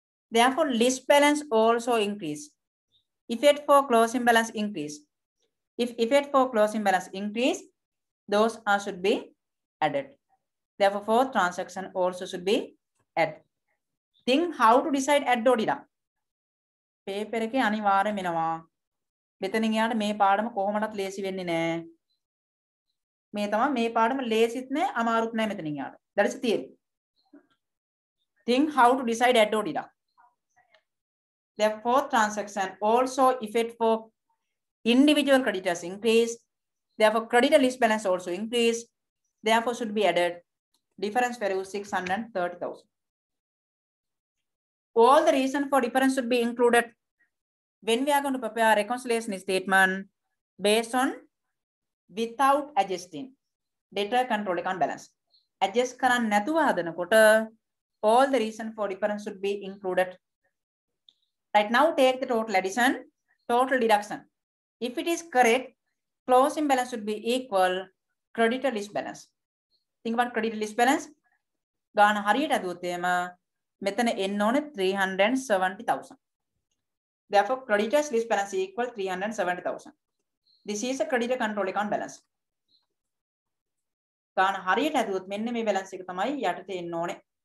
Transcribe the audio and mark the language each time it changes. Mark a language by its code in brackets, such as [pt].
[en] Therefore, list balance also increase. Effect for closing balance increase. If effect for closing balance increase, those are should be added. Therefore, fourth transaction also should be add. Think how to decide add or deduct. [si] Paper එකේ අනිවාර්යම වෙනවා. මෙතන ගියාට මේ පාඩම කොහොමවත් ලේසි වෙන්නේ නැහැ. මේ තමයි මේ පාඩම ලේසිත් නැහැ අමාරුත් නැහැ මෙතන ගියාට. [en] That is the theory. Think how to decide add or deduct. Therefore, transaction also effect for individual creditors increase. Therefore, creditor list balance also increase. Therefore, should be added. Difference value 630,000. All the reason for difference should be included when we are going to prepare reconciliation statement based on without adjusting debtor control account balance. Adjust [si] karan nathuwa hadana kota [en] all the reason for difference should be included. Right now, take the total addition, total deduction. If it is correct, closing balance should be equal creditor list balance. Think about creditor list balance. [si] Gana hariyata aduwathema metana enna one 370,000. [en] Therefore, creditors list balance equal 370,000. This is a creditor control account balance. [si] ගාන හරියට ඇදුවොත් මෙන්න මේ balance එක තමයි යටතේ එන්න ඕනේ.